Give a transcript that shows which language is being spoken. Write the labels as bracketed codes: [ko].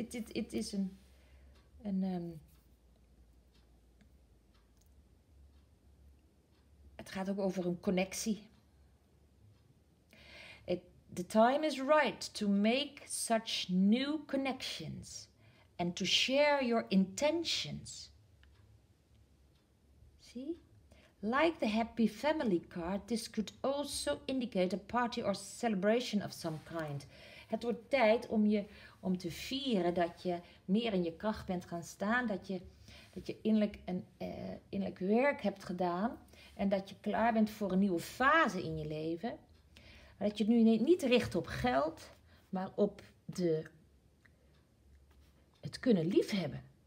[nl] Het is een het gaat ook over een connectie. [en] The time is right to make such new connections and to share your intentions. See? Like the happy family card, this could also indicate a party or celebration of some kind. [nl] Het wordt tijd om te vieren dat je meer in je kracht bent gaan staan, dat je innerlijk innerlijk werk hebt gedaan en dat je klaar bent voor een nieuwe fase in je leven. Dat je het nu niet richt op geld, maar op het kunnen liefhebben.